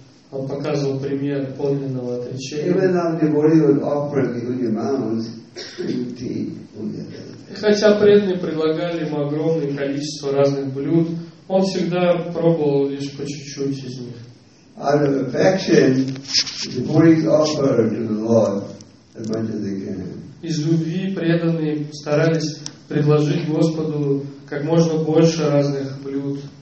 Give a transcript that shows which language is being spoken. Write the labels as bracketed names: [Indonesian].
[Russian] Он показывал пример подлинного отречения. Хотя преданные предлагали ему огромное количество разных блюд, он всегда пробовал лишь по чуть-чуть из них. [English] Out of affection, the devotees offer to the Lord as much as they can. [Russian] Из любви преданные старались предложить Господу как можно больше разных блюд.